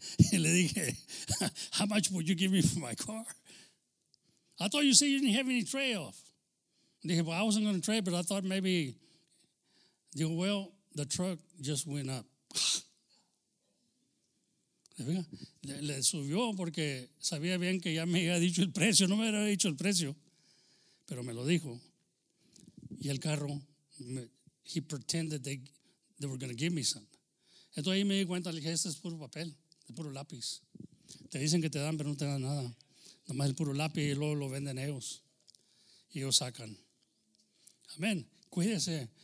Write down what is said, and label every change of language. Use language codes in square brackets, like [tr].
[es] Y le dije, [en] how much would you give me for my car? I thought you said you didn't have any trade-off. [es] Dije, [en] well, I wasn't going to trade, but I thought maybe. [es] Digo, [en] well, the truck just went up. [es] Le subió porque sabía bien que ya me había dicho el precio. No me había dicho el precio, pero me lo dijo. Y el carro, [en] he pretended they were going to give me some. [es] Entonces ahí me di cuenta, le dije, este es puro papel, es puro lápiz. Te dicen que te dan, pero no te dan nada. Nomás el puro lápiz y luego lo venden ellos. Y ellos sacan. Amén. Cuídese.